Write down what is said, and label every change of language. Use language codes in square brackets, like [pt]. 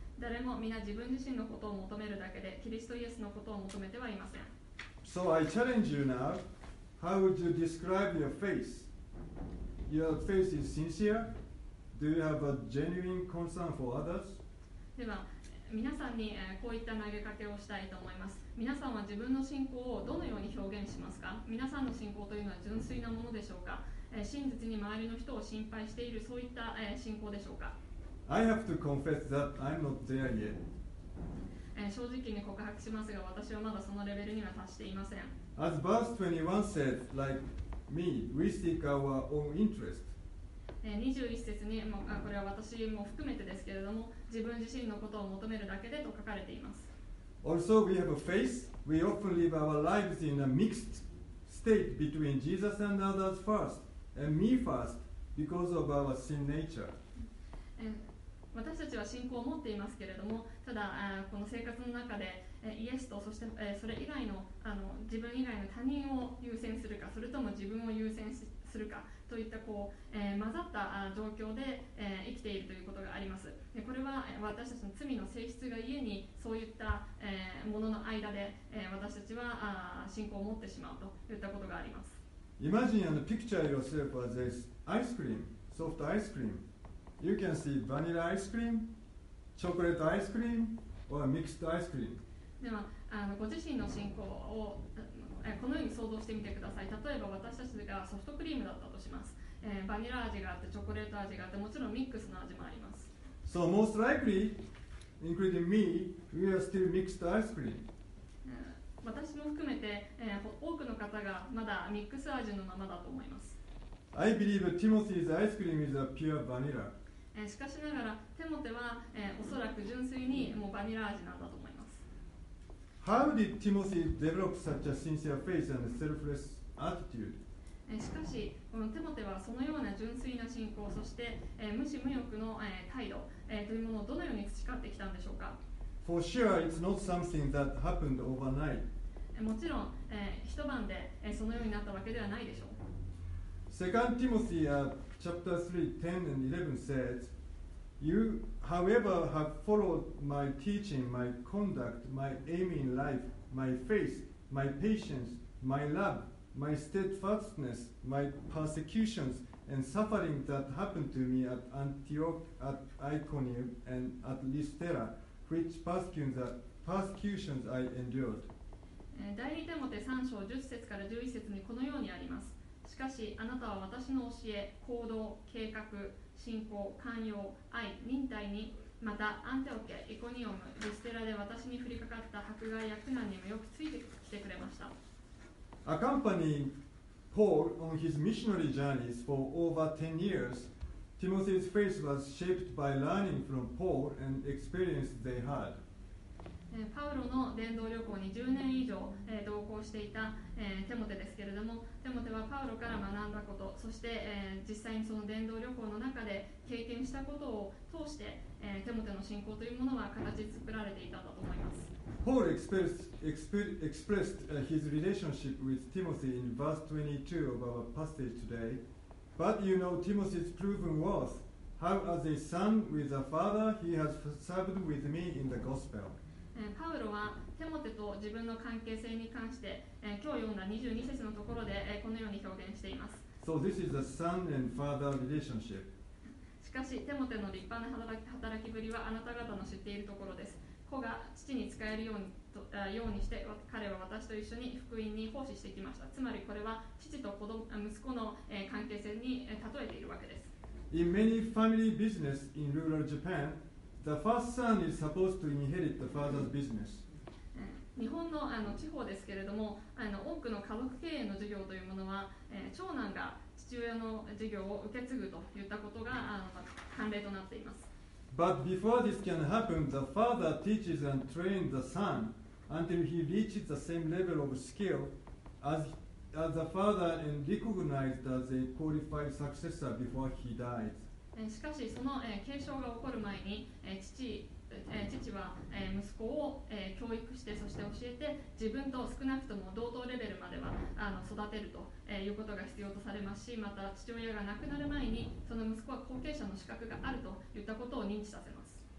[ja] 誰も皆自分自身のことを求めるだけでキリストイエスのことを求めてはいません。 [en] So I challenge you now, how would you describe your faith? Your faith is sincere? Do you have a genuine concern for others? [ja] では皆さんにこういった投げかけをしたいと思います。皆さんは自分の信仰をどのように表現しますか。皆さんの信仰というのは純粋なものでしょうか。真実に周りの人を心配しているそういった信仰でしょうか。 [en] I have to confess that I'm not there yet. [ja] 正直に告白しますが私はまだそのレベルには達していません。 [en] As verse 21 said, like me, we seek our own interest. [ja] 21節にもこれは私も含めてですけれども自分自身のことを求めるだけでと書かれています。 [en] Also we have a faith. We often live our lives in a mixed state between Jesus and others first and me first because of our sin nature. [ja] 私たちは信仰を持っていますけれども、ただこの生活の中でイエスとそしてそれ以外 の, あの自分以外の他人を優先するか、それとも自分を優先するかといったこう、混ざった状況で、生きているということがあります。でこれは私たちの罪の性質がゆえにそういった、ものの間で、私たちは信仰を持ってしまうといったことがあります。 [en] Imagine and picture yourself as this ice cream, soft ice cream. You can see vanilla ice cream, chocolate ice cream, or mixed ice cream. [ja] ではご自身の信仰をこのように想像してみてください。例えば私たちがソフトクリームだったとします。バニラ味があってチョコレート味があってもちろんミックスの味もあります。 [en] So most likely, including me, we are still mixed ice cream. [ja] 私も含めて、多くの方がまだミックス味のままだと思います。 [en] I believe Timothy's ice cream is a pure vanilla. [ja] しかしながらテモテは、おそらく純粋にもうバニラ味なんだと思います。 [en] How did Timothy develop such a sincere faith and selfless attitude? [ja] しかしこのテモテはそのような純粋な信仰そして、無私無欲の、態度、というものをどのように培ってきたんでしょうか。 [en] For sure, it's not something that happened overnight. [ja] もちろん、一晩で、そのようになったわけではないでしょう。 [en] Second Timothy, chapter 3, 10 and 11 says, You, however, have followed my teaching, my conduct, my aim in life, my faith, my patience, my love,My steadfastness, my persecutions, and suffering that happened to me at Antioch, at Iconium, and at Lystra, which persecutions I endured. [ja] 第二テモテ3章10節から11節にこのようにあります。しかし、あなたは私の教え、行動、計画、信仰、寛容、愛、忍耐に、またアンテオケ、イコニオム、リステラで私に降りかかった迫害や苦難にもよくついてきてくれました。 [en] Accompanying Paul on his missionary journeys for over 10 years, Timothy's faith was shaped by learning from Paul and experience they had. [ja] パウロの伝道旅行に10年以上同行していたテモテですけれども、テモテはパウロから学んだこと、そして実際にその伝道旅行の中で経験したことを通して、テモテの信仰というものは形作られていたんだと思います。 [en] Paul expressed his relationship with Timothy in verse 22 of our passage today. But you know Timothy's proven worth, how as a son with a father he has served with me in the gospel. [ja] パウロはテモテと自分の関係性に関して今日読んだ22節のところでこのように表現しています。 [en] So this is a son and father relationship. [ja] しかしテモテの立派な働きぶりはあなた方の知っているところです。子が父に使えるようにして彼は私と一緒に福音に奉仕してきました。つまりこれは父と子供息子の関係性に例えているわけです。 [en] In many family business in rural Japan, the first son is supposed to inherit the father's business. [ja] 日本の、あの地方ですけれども、あの多くの家族経営の事業というものは、長男が父親の事業を受け継ぐといったことが、あの慣例となっています。 [en] But before this can happen, the father teaches and trains the son until he reaches the same level of skill as the father and recognized as a qualified successor before he dies. [ja] しかし、その、継承が起こる前に、父は、息子を、教育して、そして教えて、自分と少なくとも同等レベルまではあの育てると、いうことが必要とされますし、また父親が亡くなる前に、その息子は後継者の資格があるといったことを認知させます。